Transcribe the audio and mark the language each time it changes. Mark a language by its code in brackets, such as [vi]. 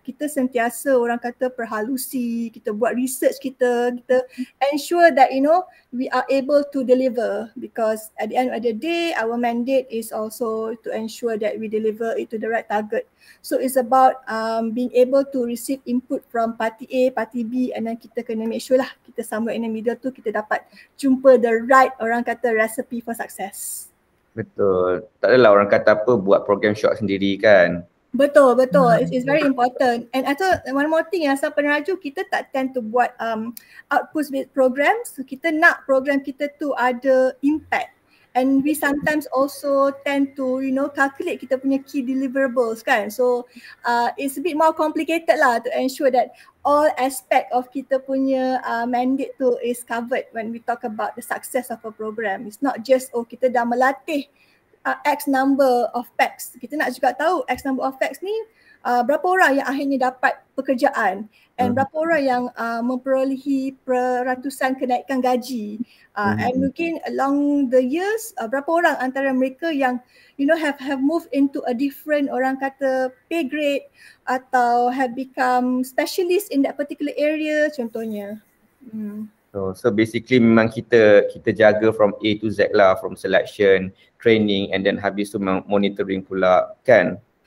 [ms] Kita sentiasa orang kata perhalusi, kita buat research kita [en] ensure that, you know, we are able to deliver, because at the end of the day, our mandate is also to ensure that we deliver it to the right target. So it's about being able to receive input from party A, party B, and then [ms] kita kena [en] make sure [ms] lah kita [en] somewhere in the middle [ms] tu kita dapat jumpa [en] the right [ms] orang kata [en] recipe for success. [ms] Betul. Tak adalah orang kata apa buat program short sendiri kan. Betul, betul. [en] It's very important. And also one more thing, Yayasan Peneraju, [ms] kita tak [en] tend to [ms] buat [en] outputs with programs. So [ms] kita nak program kita tu ada [en] impact. And we sometimes also tend to, you know, calculate [ms] kita punya [en] key deliverables [ms] kan. [en] So it's a bit more complicated lah to ensure that all aspect of [ms] kita punya [en] mandate [ms] tu [en] is covered when we talk about the success of a program. It's not just, oh, [ms] kita dah melatih [en] X number of PACs. [ms] Kita nak juga tahu X number of PACs ni berapa orang yang akhirnya dapat pekerjaan and berapa orang yang memperolehi peratusan kenaikan gaji. [en] And [ms] mungkin [en] along the years, [ms] berapa orang antara mereka yang, [en] you know, have moved into a different, [ms] orang kata, [en] pay grade [ms] atau [en] have become specialist in that particular area [ms] contohnya. [en] So basically [ms] memang kita jaga [en] from A to Z lah, from selection, training and then [ms] habis tu memang [en] monitoring [ms] pula kan.